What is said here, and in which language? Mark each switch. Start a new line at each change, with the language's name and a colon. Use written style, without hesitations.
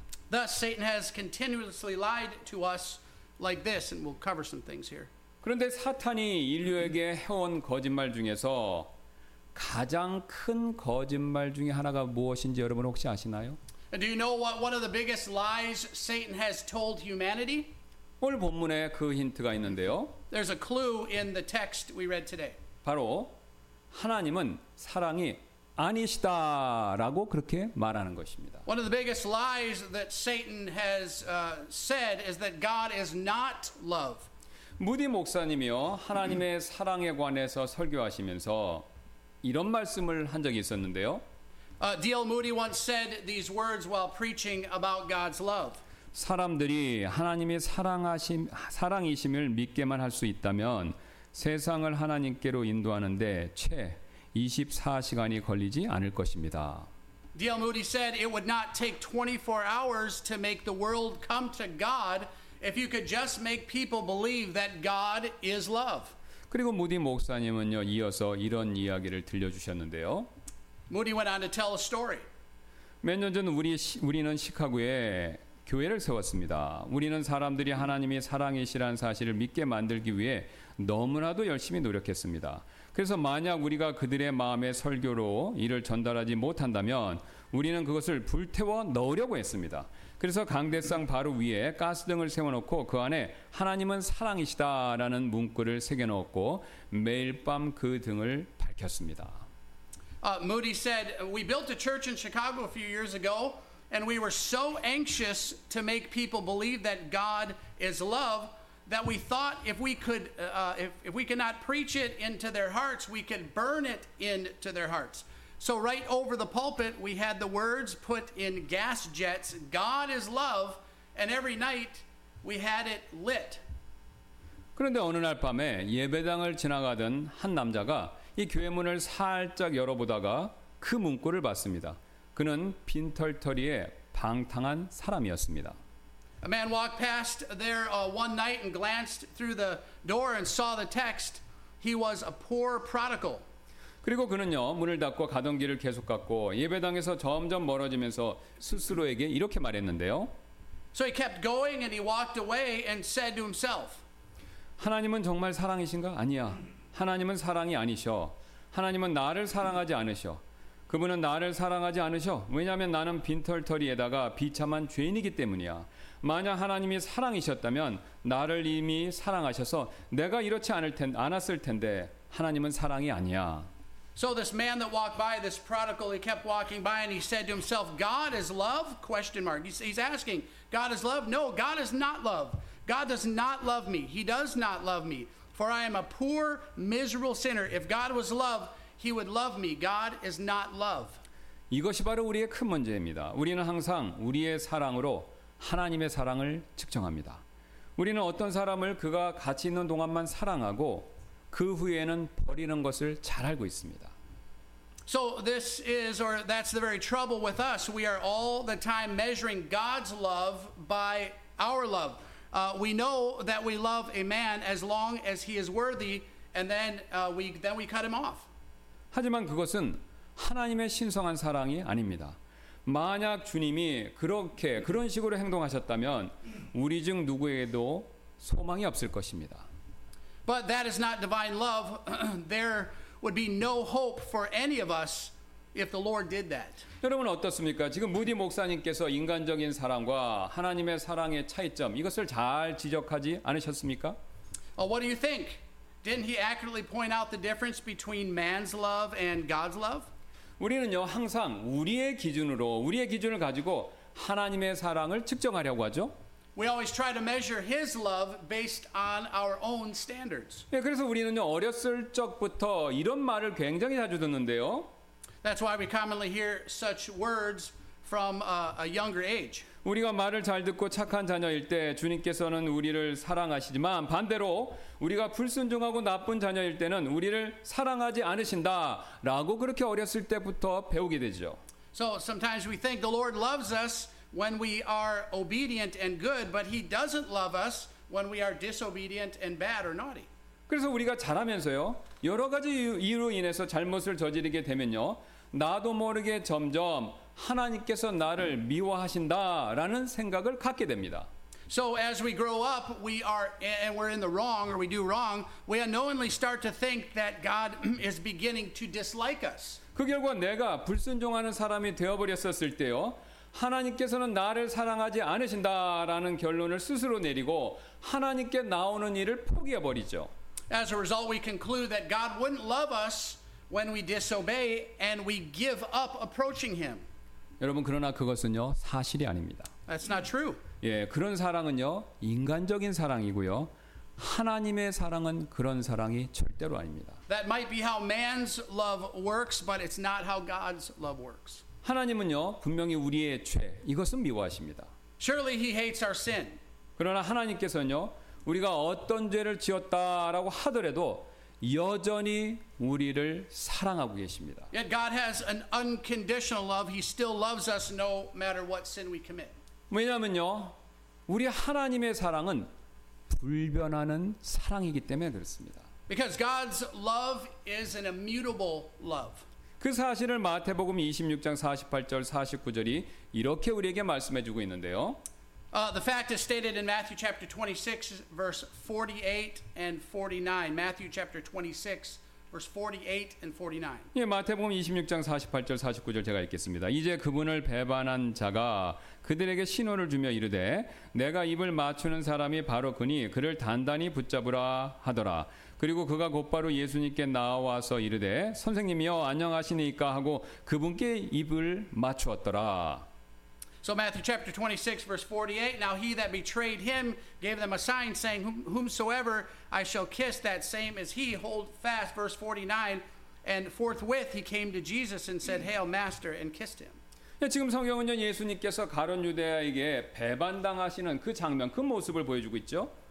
English: Thus Satan has continuously lied to us like this, and we'll cover some things here.
Korean: 그런데 사탄이 인류에게 해온 거짓말 중에서 가장 큰 거짓말 중에 하나가 무엇인지 여러분 혹시 아시나요?
English: And do you know what one of the biggest lies Satan has told humanity?
Korean: 오늘 본문에 그 힌트가 있는데요.
English: There's a clue in the text we read today.
Korean: 바로 하나님은 사랑이 아니시다라고 그렇게 말하는 것입니다.
English: One of the biggest lies that Satan has said is that God is not love.
Korean: 무디 목사님이요 하나님의 사랑에 관해서 설교하시면서 이런 말씀을 한 적이 있었는데요.
English: D.L. Moody once said these words while preaching about God's love.
Korean: 사람들이 하나님이 사랑이심을 믿게만 할 수 있다면 세상을 하나님께로 인도하는데 채 24시간이 걸리지 않을 것입니다.
English: D.L. Moody said it would not take 24 hours to make the world come to God if you could just make people believe that God is love.
Korean: 그리고 무디 목사님은요 이어서 이런 이야기를 들려주셨는데요.
English: Moody went on to tell a story.
Korean: 몇 년 전 우리는 시카고에 교회를 세웠습니다. 우리는 사람들이 하나님이 사랑이시라는 사실을 믿게 만들기 위해 너무나도 열심히 노력했습니다. 그래서 만약 우리가 그들의 마음의 설교로 이를 전달하지 못한다면 우리는 그것을 불태워 넣으려고 했습니다. 그래서 강대상 바로 위에 가스등을 세워놓고 그 안에 하나님은 사랑이시다라는 문구를 새겨놓고 매일 밤 그 등을 밝혔습니다.
English: Moody said, we built a church in Chicago a few years ago. And we were so anxious to make people believe that God is love that we thought if we could, if we cannot preach it into their hearts, we could burn it into their hearts. So right over the pulpit, we had the words put in gas jets, God is love, and every night we had it lit.
Korean: 그런데 어느 날 밤에 예배당을 지나가던 한 남자가 이 교회 문을 살짝 열어보다가 그 문구를 봤습니다. 그는 빈털터리에 방탕한 사람이었습니다.
English: A man walked past there one night and glanced through the door and saw the text. He was a poor prodigal.
Korean: 그리고 그는요 문을 닫고 가던 길을 계속 갔고 예배당에서 점점 멀어지면서 스스로에게 이렇게 말했는데요.
English: So he kept going and he walked away and said to himself.
Korean: 하나님은 정말 사랑이신가? 아니야. 하나님은 사랑이 아니셔. 하나님은 나를 사랑하지 않으셔. 그분은 나를 사랑하지 않으셔. 왜냐하면 나는 빈털터리에다가 비참한 죄인이기 때문이야. 만약 하나님이 사랑이셨다면 나를 이미 사랑하셔서 내가 이렇지 않았을 텐데 하나님은 사랑이 아니야.
English: So this man that walked by, this prodigal, he kept walking by and he said to himself, God is love? Question mark. He's asking, God is love? No, God is not love. God does not love me. He does not love me. For I am a poor, miserable sinner. If God was love, he would love me. God is not love.
Korean: 이것이 바로 우리의 큰 문제입니다. 우리는 항상 우리의 사랑으로 하나님의 사랑을 측정합니다. 우리는 어떤 사람을 그가 가치 있는 동안만 사랑하고 그 후에는 버리는 것을 잘 알고 있습니다.
English: So this is or that's the very trouble with us. We are all the time measuring God's love by our love. We know that we love a man as long as he is worthy and then we cut him off.
Korean: 하지만 그것은 하나님의 신성한 사랑이 아닙니다. 만약 주님이 그렇게 그런 식으로 행동하셨다면 우리 중 누구에게도 소망이 없을 것입니다.
English: But that is not divine love. There would be no hope for any of us if the Lord did that.
Korean: 여러분 어떻습니까? 지금 무디 목사님께서 인간적인 사랑과 하나님의 사랑의 차이점 이것을 잘 지적하지 않으셨습니까?
English: What do you think? Didn't he accurately point out the difference between man's love and God's love?
Korean: 우리는요 항상 우리의 기준으로 우리의 기준을 가지고 하나님의 사랑을 측정하려고 하죠.
English: We always try to measure His love based on our own standards.
Korean: 예, 그래서 우리는요 어렸을 적부터 이런 말을 굉장히 자주 듣는데요.
English: That's why we commonly hear such words from a younger age.
Korean: 우리가 말을 잘 듣고 착한 자녀일 때 주님께서는 우리를 사랑하시지만 반대로 우리가 불순종하고 나쁜 자녀일 때는 우리를 사랑하지 않으신다라고 그렇게 어렸을 때부터 배우게 되죠.
English: So sometimes we think the Lord loves us when we are obedient and good, but he doesn't love us when we are disobedient and bad or naughty.
Korean: 그래서 우리가 자라면서요. 여러 가지 이유로 인해서 잘못을 저지르게 되면요. 나도 모르게 점점 하나님께서 나를 미워하신다라는 생각을 갖게 됩니다.
English: So as we grow up, we are and we're in the wrong or we do wrong, we unknowingly start to think that God is beginning to dislike us.
Korean: 그 결과 내가 불순종하는 사람이 되어 버렸었을 때요. 하나님께서는 나를 사랑하지 않으신다라는 결론을 스스로 내리고 하나님께 나오는 일을 포기해 버리죠.
English: As a result, we conclude that God wouldn't love us when we disobey and we give up approaching him.
Korean: 여러분 그러나 그것은요 사실이 아닙니다.
English: That's not true.
Korean: 예, 그런 사랑은요 인간적인 사랑이고요 하나님의 사랑은 그런 사랑이 절대로 아닙니다.
English: That might be how man's love works, but it's not how God's love works.
Korean: 하나님은요 분명히 우리의 죄 이것은 미워하십니다.
English: Surely he hates our sin.
Korean: 그러나 하나님께서는요 우리가 어떤 죄를 지었다라고 하더라도 여전히 우리를 사랑하고 계십니다.
English: Yet God has an unconditional love. He still loves us no matter what sin we commit.
Korean: 왜냐하면요, 우리 하나님의 사랑은 불변하는 사랑이기 때문에 그렇습니다.
English: Because God's love is an immutable love.
Korean: 그 사실을 마태복음 26장 48절 49절이 이렇게 우리에게 말씀해 주고 있는데요.
English: The fact is stated in Matthew chapter 26, verse 48 and 49. Matthew chapter 26, verse 48 and 49.
Korean: 예, 마태복음 26장 48절 49절 제가 읽겠습니다. 이제 그분을 배반한 자가 그들에게 신호를 주며 이르되 내가 입을 맞추는 사람이 바로 그니 그를 단단히 붙잡으라 하더라. 그리고 그가 곧바로 예수님께 나와서 이르되 선생님이여 안녕하시니까 하고 그분께 입을 맞추었더라.
English: So Matthew chapter 26 verse 48, now he that betrayed him gave them a sign saying, whomsoever I shall kiss, that same is he, hold fast, verse 49, and forthwith he came to Jesus and said, Hail Master, and kissed him.
Korean: 지금 성경은요 예수님께서 가룟 유대에게 배반당하시는 그 장면, 그 모습을 보여주고 있죠.